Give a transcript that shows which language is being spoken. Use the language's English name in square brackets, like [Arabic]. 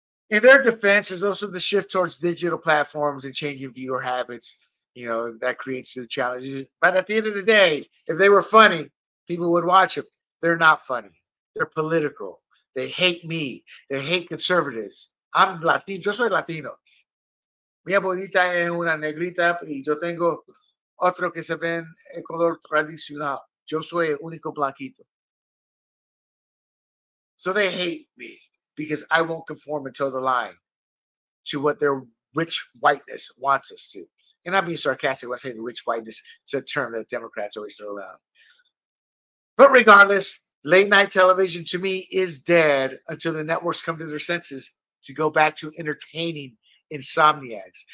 [English] In their defense, there's also the shift towards digital platforms and changing viewer habits. You know, that creates new challenges. But at the end of the day, if they were funny, people would watch them. They're not funny. They're political. They hate me. They hate conservatives. I'm Latino. [Spanish] Yo soy Latino. Mi abuelita es una negrita y yo tengo otro que se ven el color tradicional. Yo soy el único blanquito. [English] So they hate me because I won't conform and toe the line to what their rich whiteness wants us to. And I'm being sarcastic when I say the rich whiteness. It's a term that Democrats always throw around. But regardless, late night television to me is dead until the networks come to their senses to go back to entertaining insomniacs.